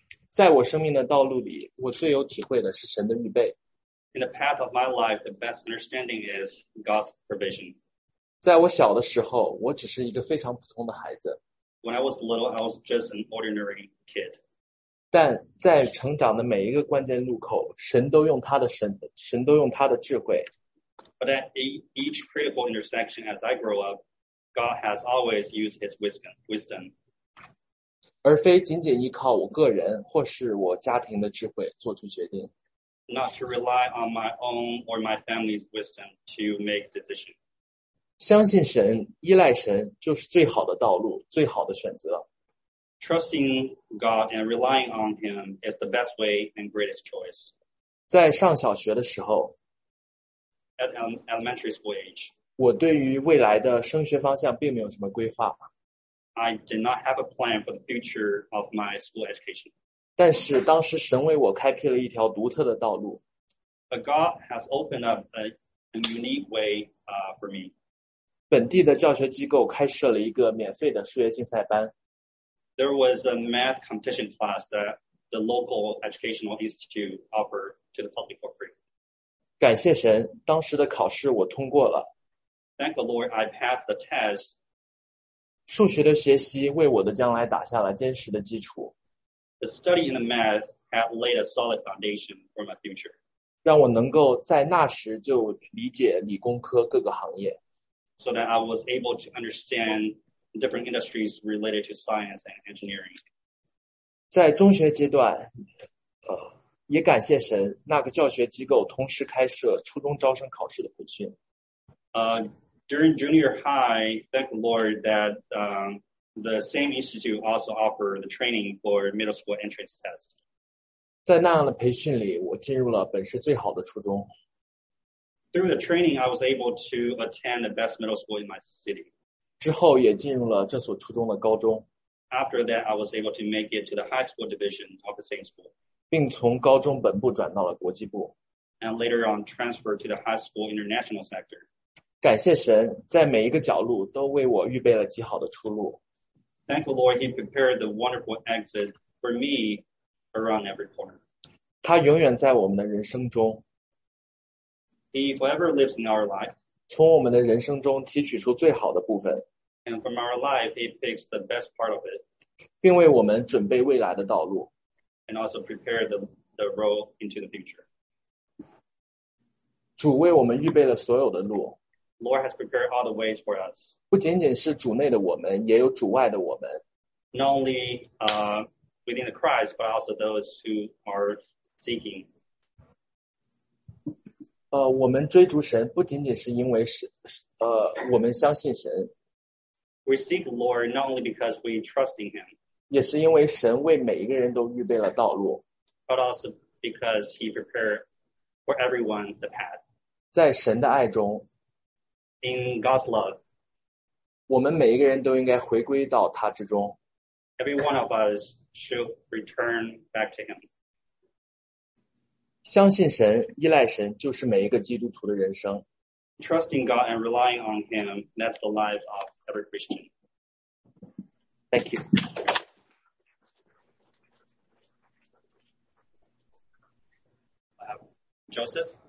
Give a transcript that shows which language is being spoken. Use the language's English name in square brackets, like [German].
[Chinese] 在我生命的道路里，我最有体会的是神的预备。 [English] In the path of my life, the best understanding is God's provision. [Chinese] 在我小的时候，我只是一个非常普通的孩子。 [English] When I was little, I was just an ordinary kid. [Chinese] 但在成长的每一个关键路口，神都用他的智慧。 [English] But at each critical intersection as I grow up,God has always used his wisdom. [Chinese] 而非仅仅依靠我个人或是我家庭的智慧做出决定。 [English] Not to rely on my own or my family's wisdom to make decisions. [Chinese] 相信神，依赖神就是最好的道路，最好的选择。 [English] Trusting God and relying on him is the best way and greatest choice. [Chinese] 在上小学的时候 [English] at elementary school age, [Chinese] 我对于未来的升学方向并没有什么规划。 [English] I did not have a plan for the future of my school education. [Chinese] 但是当时神为我开辟了一条独特的道路。 [English] But God has opened up a unique way for me. [Chinese] 本地的教学机构开设了一个免费的数学竞赛班。 [English] There was a math competition class that the local educational institute offered to the public for free. [Chinese] 感谢神，当时的考试我通过了。 [English] Thank the Lord, I passed the test. [Chinese] 数学的学习为我的将来打下了坚实的基础。 [English] The study in the math had laid a solid foundation for my future. [Chinese] 让我能够在那时就理解理工科各个行业。 [English] So that I was able to understand different industries related to science and engineering. [Chinese] 在中学阶段，也感谢神，那个教学机构同时开设初中招生考试的培训。 [English] During junior high, thank the Lord that the same institute also offered the training for middle school entrance test. [Chinese] 在那样的培训里，我进入了本市最好的初中。 [English] Through the training, I was able to attend the best middle school in my city. [Chinese] 之后也进入了这所初中的高中。 [English] After that, I was able to make it to the high school division of the same school. [Chinese] 并从高中本部转到了国际部。 [English] And later on, transferred to the high school international sector. [Chinese] 感谢神，在每一个角落都为我预备了极好的出路。 [English] Thank the Lord, He prepared the wonderful exit for me around every corner. [Chinese] 他永远在我们的人生中。 [English] He forever lives in our life. [Chinese] 从我们的人生中提取出最好的部分。 [English] And from our life, he picks the best part of it. [Chinese] 并为我们准备未来的道路。 [English] And also prepare the road into the future. [Chinese] 主为我们预备了所有的路。 [English] Lord has prepared all the ways for us. [Chinese] 不仅仅是主内的我们，也有主外的我们。 [English] Not only within the Christ, but also those who are seeking. [Chinese] 我们追逐神不仅仅是因为我们相信神。 [English] We seek the Lord not only because we trust in Him, [Chinese] 也是因为神为每一个人都预备了道路, [English] but also because He prepared for everyone the path. [Chinese] 在神的爱中, [English] in God's love, [Chinese] 我们每一个人都应该回归到他之中, [English] every one of us should return back to Him. [Chinese] 相信神, 依赖神, 就是每一个基督徒的人生。 [English] Trusting God and relying on Him, that's the life of every Christian. Thank you. Joseph?